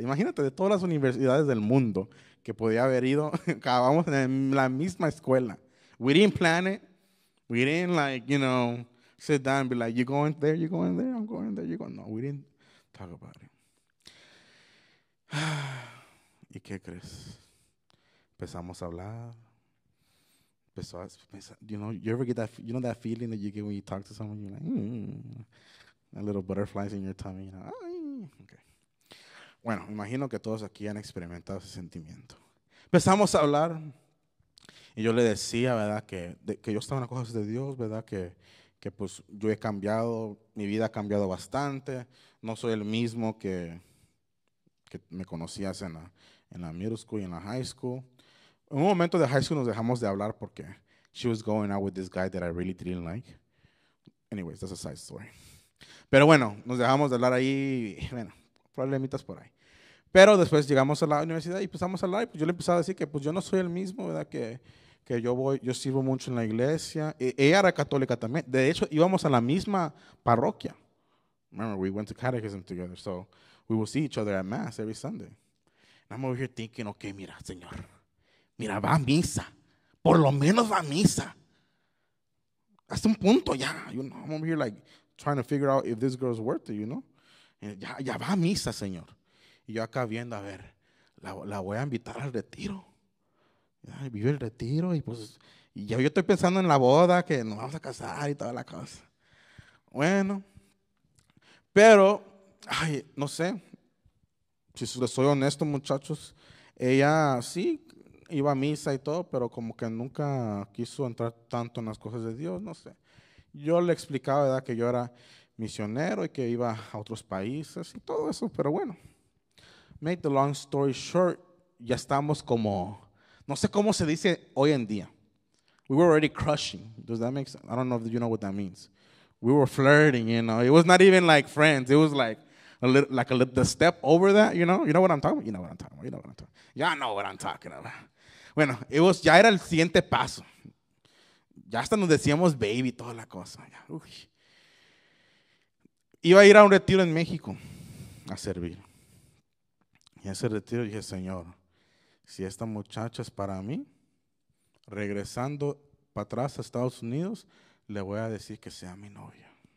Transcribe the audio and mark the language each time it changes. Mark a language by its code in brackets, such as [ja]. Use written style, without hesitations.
[es] Imagínate de todas las universidades del mundo que podía haber ido, acabamos en la misma escuela. [en] We didn't plan it. We didn't like, you know, sit down and be like, you going there, you going there, I'm going there, you going. No, we didn't talk about it. [es] ¿Y qué crees? Empezamos a hablar. [en] You know, you ever get that, you know that feeling that you get when you talk to someone, you're like, A little butterflies in your tummy, you know. Okay. [es] Bueno, imagino que todos aquí han experimentado ese sentimiento. Empezamos a hablar y yo le decía, ¿verdad? Que yo estaba en las cosas de Dios, ¿verdad? Que pues yo he cambiado, mi vida ha cambiado bastante. No soy el mismo que me conocías en la middle school y en la high school. En un momento de high school nos dejamos de hablar porque [en] she was going out with this guy that I really didn't like. Anyways, that's a side story. [es] Pero bueno, nos dejamos de hablar ahí, bueno, problemitas por ahí. Pero después llegamos a la universidad y empezamos a hablar y pues yo le empezaba a decir que pues yo no soy el mismo, ¿verdad? Que yo sirvo mucho en la iglesia. Ella era católica también. De hecho, íbamos a la misma parroquia. [en] Remember, we went to catechism together, so we would see each other at mass every Sunday. And I'm over here thinking, okay, [es] mira, señor, mira, va a misa. Por lo menos va a misa. Hasta un punto ya, [en] you know, I'm over here like, trying to figure out if this girl is worth it, you know? [es] Ya va a misa, señor. Y yo acá viendo, a ver, la voy a invitar al retiro. Ya vive el retiro y pues, y yo estoy pensando en la boda, que nos vamos a casar y toda la cosa. Bueno, pero, ay, no sé, si les soy honesto, muchachos, ella sí iba a misa y todo, pero como que nunca quiso entrar tanto en las cosas de Dios, no sé. Yo le explicaba, ¿verdad?, que yo era misionero y que iba a otros países y todo eso, pero bueno. [en] Make the long story short, [es] ya estamos como, no sé cómo se dice hoy en día, [en] We were already crushing. Does that make sense? I don't know if you know what that means. We were flirting, you know. It was not even like friends. It was like the step over that, you know. You know what I'm talking about? You know what I'm talking about. You know what I'm talking about. Y'all know what I'm talking about. [es] Bueno, [en] it was, [es] ya era el siguiente paso. Ya hasta nos decíamos baby, toda la cosa. Uy. Iba a ir a un retiro en México a servir. Y ese retiro dije, Señor, si esta muchacha es para mí, regresando para atrás a Estados Unidos, le voy a decir que sea mi novia.